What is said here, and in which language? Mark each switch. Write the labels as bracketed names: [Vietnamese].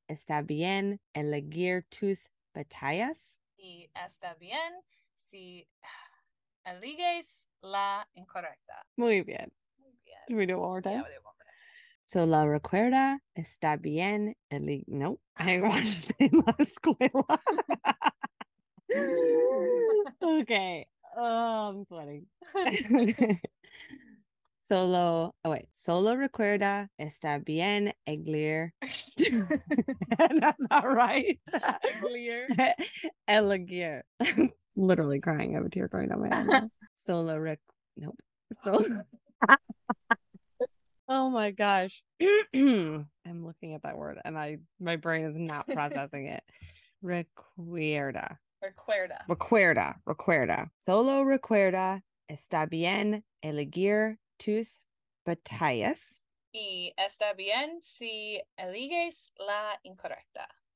[Spanish] Está bien elegir tus batallas. Y está bien si eliges la incorrecta. Muy bien. Muy bien. [English] Can we do it one more time? Yeah, we do it one more time. [Spanish] Solo recuerda. Está bien elegir. [English] Nope. I want to say [Spanish] la escuela. [English] Okay. I'm sweating. [Spanish] Solo, [English] oh wait, [Spanish] solo recuerda está bien eglier. [English] That's not right. [Spanish] Eglier. Eligier. [English] Literally crying, I have a tear going down my eye. [Spanish] Solo rec, [English] nope. [Spanish] Solo. [English] Oh my gosh. I'm looking at that word and my brain is not processing it. [Spanish] Recuerda. Recuerda. Recuerda. Recuerda. Solo recuerda está bien eligir tus batallas. Y está bien si eliges la incorrecta.